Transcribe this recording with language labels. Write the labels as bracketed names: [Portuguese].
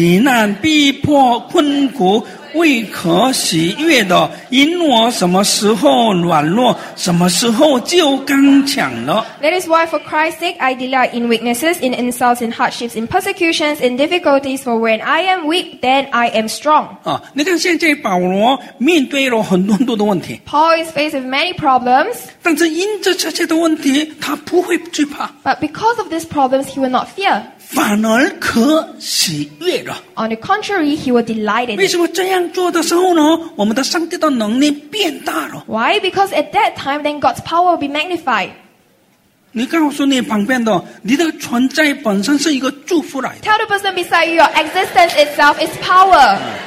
[Chinese] 看第十节，请我为基督的缘故，就以软弱、若极难、逼迫、困苦。为可喜悦的，因我什么时候软弱，什么时候就刚强了。 [English] That is why, for Christ's sake, I delight in weaknesses, in insults, in hardships, in persecutions, in difficulties. For when I am weak, then I am strong. [Chinese] 你看现在保罗面对了很多很多的问题。Paul [English] is faced with many problems. [Chinese] 但是因着这些的问题，他不会惧怕。 [English] But because of these problems, he will not fear. [Chinese] 反而可喜悦了。 [English] On the contrary, he will delight in it. [Chinese] 为什么这样做的时候呢？我们的上帝的能力变大了。 [English] Why? Because at that time, then God's power will be magnified. [Chinese] 你告诉你旁边的，你的存在本身是一个祝福来的。 [English] Tell the person beside you, your existence itself is power.